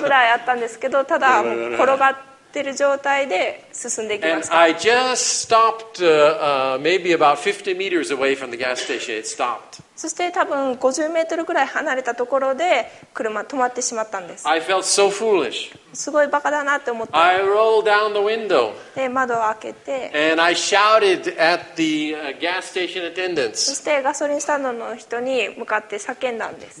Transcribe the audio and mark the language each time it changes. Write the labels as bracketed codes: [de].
[ja] ぐらいあったんですけど、ただ転がってる状態で進んでいきました。 [en] I just stopped, maybe about 50 meters away from the gas station. It stopped. [ja] そして多分50メートルぐらい離れたところで車止まってしまったんです。 [en] I felt so foolish. [ja] すごいバカだなって思った。 [en] I rolled down the window. [ja] で窓を開けて。 [en] And I shouted at the gas station attendants. [ja] そしてガソリンスタンドの人に向かって叫んだんです。